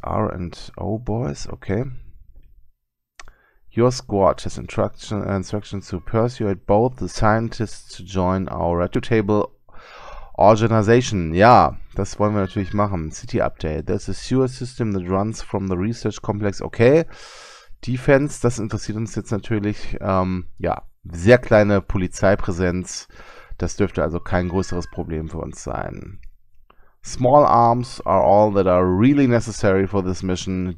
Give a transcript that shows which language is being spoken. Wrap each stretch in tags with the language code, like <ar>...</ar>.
<en>R&O boys? Okay. Your squad has instruction to persuade both the scientists to join our roundtable organization. Ja.</en> <de>Das wollen wir natürlich machen.</de> <en>City Update. There's a sewer system that runs from the research complex.</en> <de>Okay. Defense, das interessiert uns jetzt natürlich. Ja, sehr kleine Polizeipräsenz. Das dürfte also kein größeres Problem für uns sein.</de> <en>Small arms are all that are really necessary for this mission.</en>